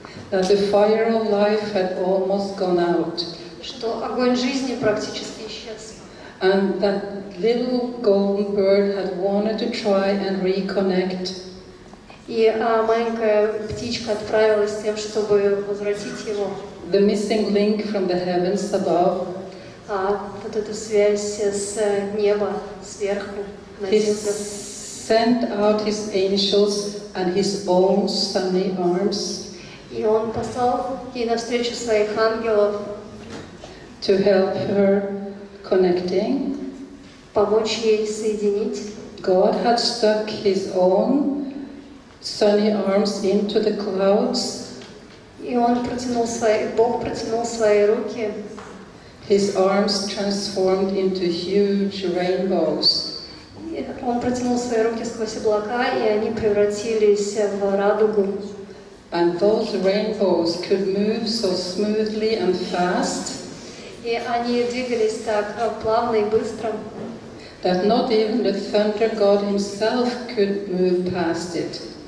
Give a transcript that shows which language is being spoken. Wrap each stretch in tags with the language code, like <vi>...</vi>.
<en>that the fire of life had almost gone out,</en> <ru>что огонь жизни практически исчез,</ru> <en>and that little golden bird had wanted to try and reconnect,</en> <ru>и маленькая птичка отправилась тем, чтобы возвратить его,</ru> <en>the missing link from the heavens above.</en> <ru>А вот эта связь с неба сверху на землю.</ru> <en>Sent out his angels and his own sunny arms.</en> <ru>И он послал ей навстречу своих ангелов.</ru> <en>To help her connecting.</en> <ru>Помочь ей соединить.</ru> <en>God had stuck his own sunny arms into the clouds.</en> <ru>И он протянул свои, Бог протянул свои руки.</ru> <en>His arms transformed into huge rainbows.</en> <ru>Он протянул свои руки сквозь облака, и они превратились в радугу.</ru> <en>And those rainbows could move so smoothly and fast.</en> <ru>И они двигались так плавно и быстро.</ru> <en>That not even the thunder god himself could move past it.</en>